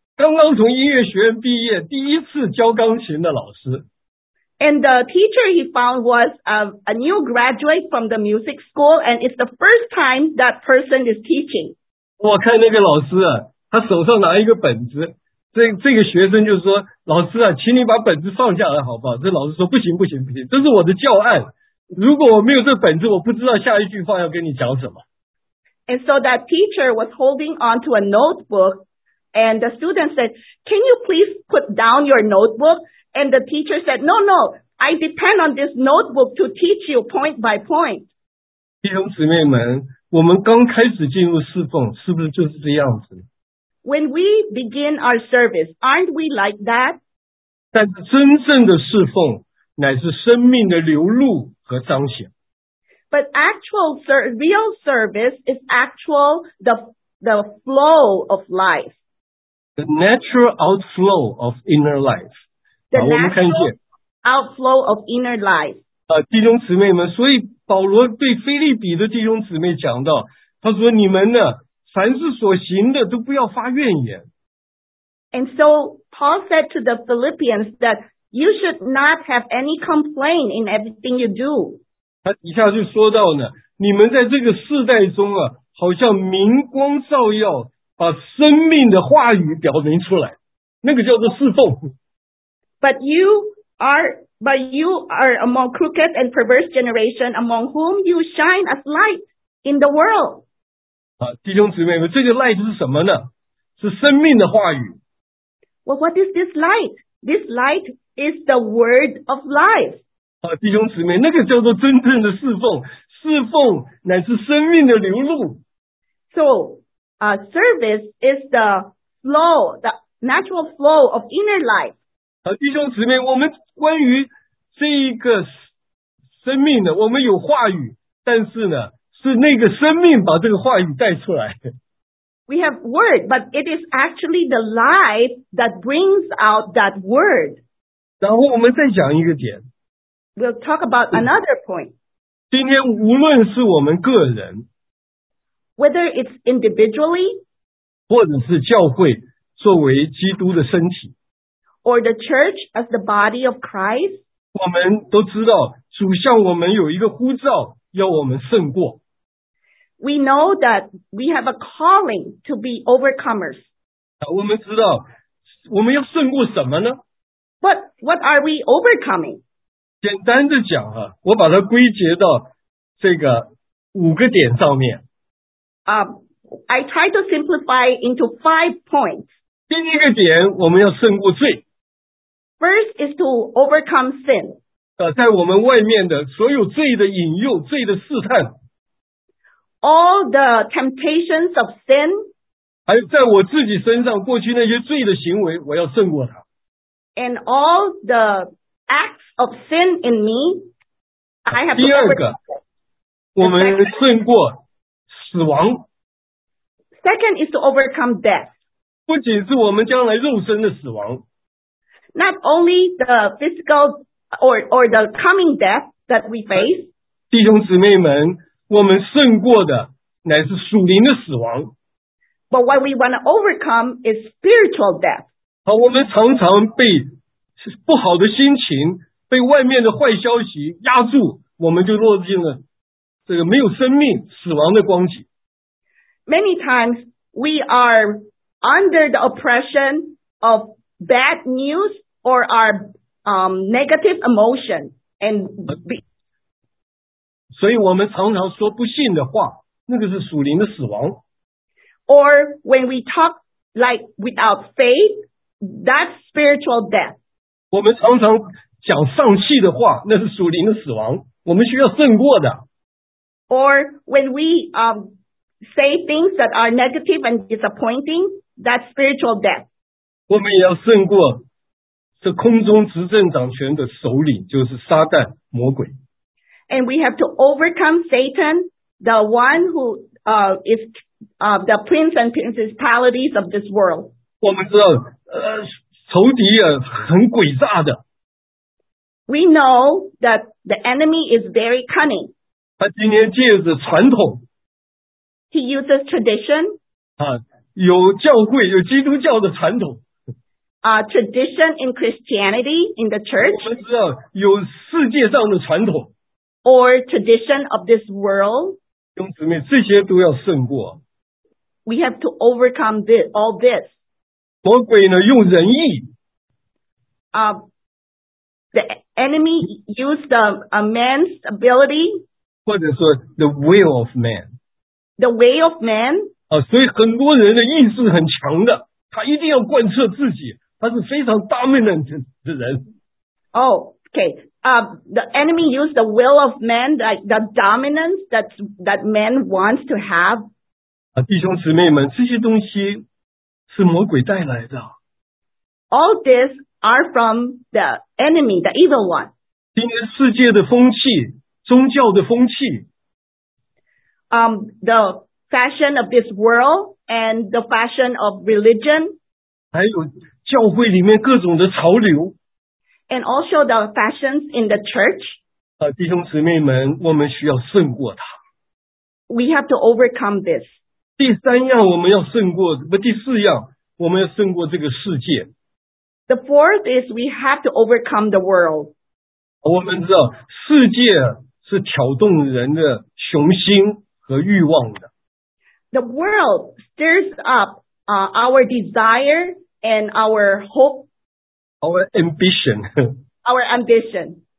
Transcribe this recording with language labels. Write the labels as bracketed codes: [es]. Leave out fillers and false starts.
[zh] 刚刚从音乐学院毕业，第一次教钢琴的老师。 [en] And the teacher he found was a new graduate from the music school, and it's the first time that person is teaching. [zh] 我看那个老师啊，他手上拿一个本子，这个学生就说：“老师啊，请你把本子放下来好不好？” 这老师说：“不行不行不行，这是我的教案。如果我没有这本子，我不知道下一句话要跟你讲什么。” [en] And so that teacher was holding on to a notebook. And the student said, can you please put down your notebook? And the teacher said, no, no, I depend on this notebook to teach you point by point. [zh] 弟兄姊妹们，我们刚开始进入侍奉，是不是就是这样子？ [en] When we begin our service, aren't we like that? [zh] 但是真正的侍奉乃是生命的流露和彰显。 [en] But actual real service is actual the flow of life. The natural outflow of inner life. The natural outflow of inner life. [zh] 弟兄姊妹们，所以保罗对腓立比的弟兄姊妹讲到，他说你们呢，凡事所行的都不要发怨言。 [en] And so Paul said to the Philippians that you should not have any complaint in everything you do. [zh] 他底下就说到呢，你们在这个世代中啊，好像明光照耀，把生命的话语表明出来，那个叫做侍奉。 [en] But you are among crooked and perverse generation, among whom you shine as light in the world. [zh] 啊，弟兄姊妹们，这个 light 是什么呢？是生命的话语。 [en] Well, what is this light? This light is the word of life. [zh] 啊，弟兄姊妹，那个叫做真正的侍奉，侍奉乃是生命的流露。 [en] So, service is the flow, the natural flow of inner life. [zh] 啊，弟兄姊妹，我们关于这一个生命呢，我们有话语，但是呢，是那个生命把这个话语带出来。 [en] We have word, but it is actually the life that brings out that word. [zh] 然后我们再讲一个点。 [en] We'll talk about another point. [zh] 今天无论是我们个人， [en] whether it's individually, [zh] 或者是教会作为基督的身体， [en] or the church as the body of Christ, [zh] 我们都知道主向我们有一个呼召，要我们胜过。 [en] We know that we have a calling to be overcomers. [zh] 我们知道我们要胜过什么呢？ [en] But what are we overcoming? [zh] 简单的讲啊，我把它归结到这个五个点上面。 [en] I try to simplify into 5 points. [zh] 第一个点，我们要胜过罪。 [en] First is to overcome sin. [zh] 在我们外面的所有罪的引诱，罪的试探。 [en] All the temptations of sin. [zh] 还有在我自己身上过去那些罪的行为，我要胜过它。 [en] And all the acts of sin in me, I have to overcome. [zh] 第二个，我们胜过死亡。 [en] Second is to overcome death. [zh] 不仅是我们将来肉身的死亡。 [en] Not only the physical or the coming death that we face. [zh] 弟兄姊妹们，我们胜过的乃是属灵的死亡。 [en] But what we want to overcome is spiritual death. [zh] 好，我们常常被不好的心情，被外面的坏消息压住，我们就落进了这个没有生命死亡的光景。 [en] Many times we are under the oppression of bad news or our negative emotion and be- [zh] 所以我们常常说不信的话，那个是属灵的死亡。 [en] Or when we talk like without faith, that's spiritual death. [zh] 我们常常讲丧气的话，那是属灵的死亡，我们需要胜过的。 [en] Or when we say things that are negative and disappointing, that's spiritual death. [zh] 我们也要胜过这空中执政掌权的首领，就是撒旦魔鬼。 [en] And we have to overcome Satan, the one who is the prince and principalities of this world. [zh] 我们知道，仇敌啊，很诡诈的。 [en] We know that the enemy is very cunning. [zh] 他今天借着传统。 [en] He uses tradition. [zh] 啊，有教会，有基督教的传统。 [en] Tradition in Christianity in the church. [zh] 我们知道有世界上的传统。 [en] Or tradition of this world. [zh] 弟兄姊妹，这些都要胜过。 [en] We have to overcome this, all this. [zh] 魔鬼呢，用仁义。 [en] The enemy used a man's ability. [zh] 或者说 [en] the will of man. The way of man. [zh] 啊，所以很多人的意志很强的，他一定要贯彻自己，他是非常 dominant 的人。 [en] Oh, okay. The enemy used the will of man, like the dominance that man wants to have. [zh] 啊，弟兄姊妹们，这些东西是魔鬼带来的。 [en] All this are from the enemy, the evil one. [zh] 今天世界的风气，宗教的风气。 [en] The fashion of this world and the fashion of religion. [zh] 还有教会里面各种的潮流。 [en] And also the fashions in the church. [zh] 弟兄姊妹们，我们需要胜过它。 [en] we have to overcome this. [zh] 第三样我们要胜过，不，第四样我们要胜过这个世界。 [en] The fourth is we have to overcome the world. [zh] 我们知道世界是挑动人的雄心和欲望的。 [en] The world stirs up our desire and our hope. Our ambition. Our ambition.